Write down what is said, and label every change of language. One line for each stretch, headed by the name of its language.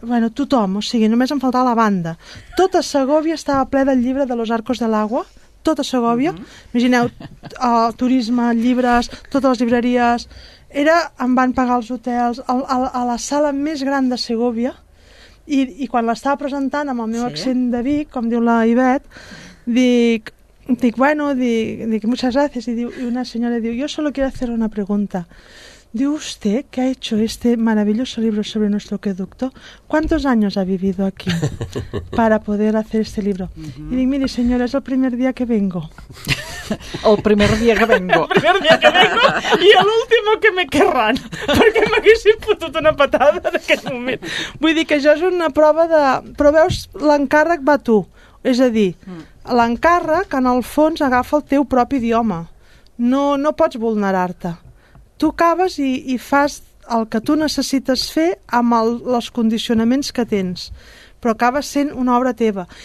Catalan: Bueno, tothom, o sigui, només em faltava la banda. Tota Segovia estava ple del llibre de Los Arcos de l'Agua, tota Segovia, imagineu turisme, llibres, totes les llibreries, era, em van pagar els hotels, a la sala més gran de Segovia, i quan l'estava presentant amb el meu sí. accent de Vic, com diu la Ivet, dic bueno, dic
Spanish: muchas gracias,
Catalan: i diu, una senyora diu,
Spanish: yo solo quiero hacer una pregunta. Diu, usted, ¿qué ha hecho este maravilloso libro sobre nuestro aqueducto? ¿Cuántos años ha vivido aquí para poder hacer este libro? Uh-huh.
Catalan: I dic,
Spanish: mire, señora, es el primer día que vengo. El primer día que vengo. El primer día que vengo y el último que me querrán.
Catalan: Perquè m'haguessin fotut una patada en aquest moment. Vull dir que això és una prova de... Però veus, l'encàrrec va tu. És a dir, l'encàrrec, en el fons, agafa el teu propi idioma. No pots vulnerar-te. Tu acabes i fas el que tu necessites fer amb els condicionaments que tens, però acabes sent una obra teva.